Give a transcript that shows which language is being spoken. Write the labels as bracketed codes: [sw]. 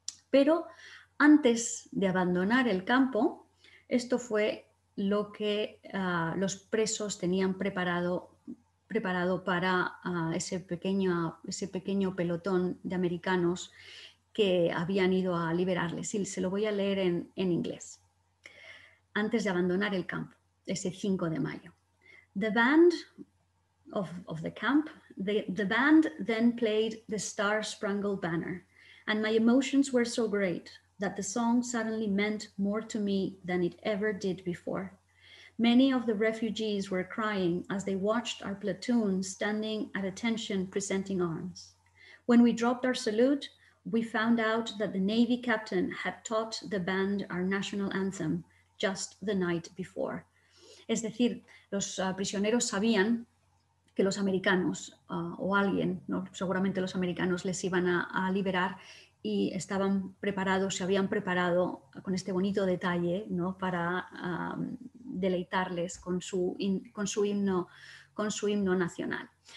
[es] Pero antes de abandonar el campo, esto fue lo que los presos tenían preparado para ese pequeño pelotón de americanos que habían ido a liberarles. Y se lo voy a leer en inglés. Antes de abandonar el campo, ese 5 de mayo. [en] The band of the camp, the band then played the Star Spangled Banner, and my emotions were so great that the song suddenly meant more to me than it ever did before. Many of the refugees were crying as they watched our platoon standing at attention presenting arms. When we dropped our salute, we found out that the Navy captain had taught the band our national anthem just the night before. [es] Es decir, los prisioneros sabían que los americanos o alguien, ¿no?, seguramente los americanos les iban a liberar, y estaban preparados, se habían preparado con este bonito detalle, ¿no?, para deleitarles con su himno nacional.